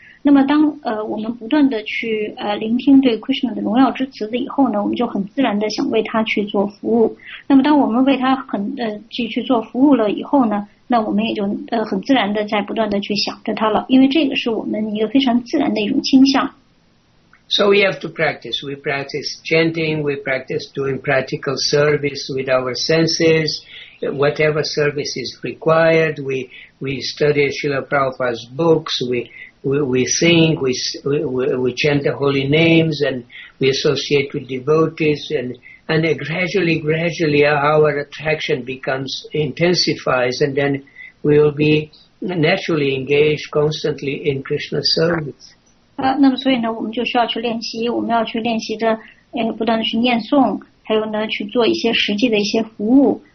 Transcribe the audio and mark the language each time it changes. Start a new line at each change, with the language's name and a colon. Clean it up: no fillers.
Chinese: 那么当我们不断的去聆听对 Krishna 的荣耀之词的以后呢，我们就很自然的想为他去做服务。那么当我们为他去做服务了以后呢，那我们也就很自然的在不断的去想着他了，因为这个是我们一个非常自然的一种倾向。
English: So we have to practice. We practice chanting. We practice doing practical service with our senses. Whatever service is required, we study Srila Prabhupada's books. We sing, we chant the holy names, and we associate with devotees, and gradually our attraction intensifies, and then we will be naturally engaged constantly in Krishna service.
Chinese: 那么所以呢，我们就需要去练习，我们要去练习着，不断的去念诵，还有呢，去做一些实际的一些服务。